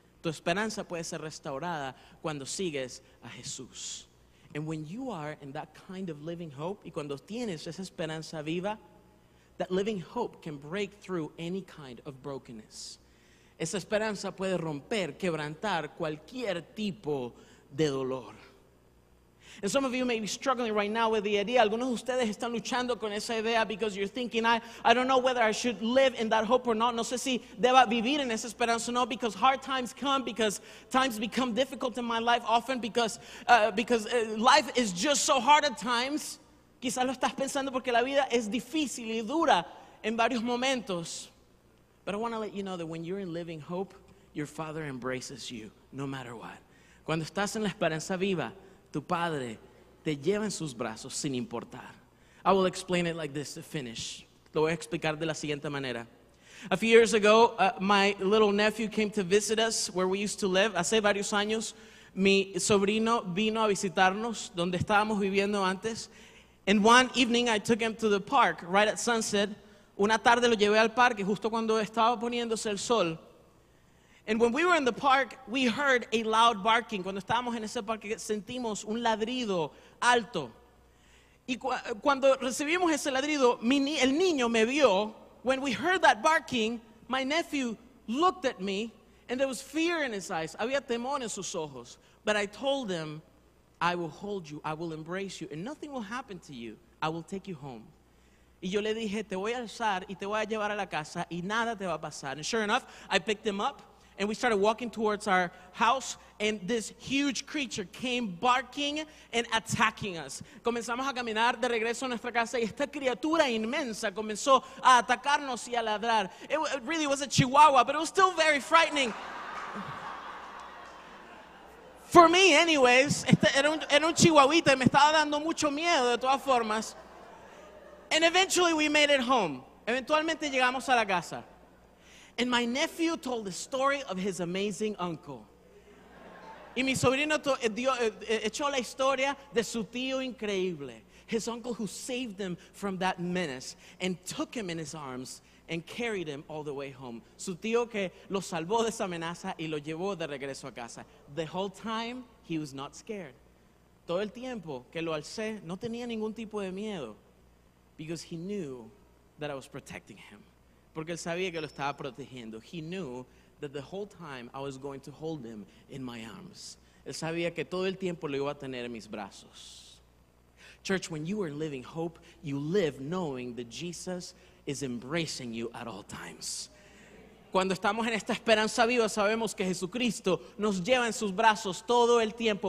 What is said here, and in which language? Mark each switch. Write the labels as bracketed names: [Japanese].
[Spanish] Tu esperanza puede ser restaurada cuando sigues a Jesús. [English] And when you are in that kind of living hope, [Spanish] y cuando tienes esa esperanza viva, [English] that living hope can break through any kind of brokenness. [Spanish] Esa esperanza puede romper, quebrantar cualquier tipo de dolor. [English] And some of you may be struggling right now with the idea. [Spanish] Algunos de ustedes están luchando con esa idea [English] because you're thinking, I don't know whether I should live in that hope or not. [Spanish] No sé si deba vivir en esa esperanza o no, [English] because hard times come, because times become difficult in my life often, because life is just so hard at times. [Spanish] Quizás lo estás pensando porque la vida es difícil y dura en varios momentos. [English] But I want to let you know that when you're in living hope, your Father embraces you no matter what. [Spanish] Cuando estás en la esperanza viva, tu padre te lleva en sus brazos sin importar. [English] I will explain it like this to finish. [Spanish] Lo voy a explicar de la siguiente manera. [English] A few years ago, my little nephew came to visit us where we used to live. [Spanish] Hace varios años, mi sobrino vino a visitarnos donde estábamos viviendo antes. [English] And one evening, I took him to the park right at sunset. [Spanish] Una tarde lo llevé al parque justo cuando estaba poniéndose el sol. [English] And when we were in the park, we heard a loud barking. [Spanish] Cuando estábamos en ese parque, sentimos un ladrido alto. Y cuando recibimos ese ladrido, el niño me vio. [English] When we heard that barking, my nephew looked at me, and there was fear in his eyes. [Spanish] Había temor en sus ojos. [English] But I told him, I will hold you, I will embrace you, and nothing will happen to you. I will take you home. [Spanish] Y yo le dije, te voy a alzar y te voy a llevar a la casa, y nada te va a pasar. [English] And sure enough, I picked him up. And we started walking towards our house, and this huge creature came barking and attacking us. [Spanish] Comenzamos a caminar de regreso a nuestra casa, y esta criatura inmensa comenzó a atacarnos y a ladrar. [English] It really was a chihuahua, but it was still very frightening. For me, anyways, [Spanish] era un chihuahuita, y me estaba dando mucho miedo de todas formas. [English] And eventually we made it home. [Spanish] Eventualmente llegamos a la casa. [English] And my nephew told the story of his amazing uncle. [Spanish] Y mi sobrino echó la historia de su tío increíble. [English] His uncle who saved him from that menace and took him in his arms and carried him all the way home. [Spanish] Su tío que lo salvó de esa amenaza y lo llevó de regreso a casa. [English] The whole time, he was not scared. [Spanish] Todo el tiempo que lo alcé, no tenía ningún tipo de miedo, [English] because he knew that I was protecting him. [Spanish] Porque él sabía que lo estaba protegiendo. [English] He knew that the whole time I was going to hold him in my arms. [Spanish] Él sabía que todo el tiempo lo iba a tener en mis brazos. [English] Church, when you are living hope, you live knowing that Jesus is embracing you at all times. [Spanish] Cuando estamos en esta esperanza viva, sabemos que Jesucristo nos lleva en sus brazos todo el tiempo.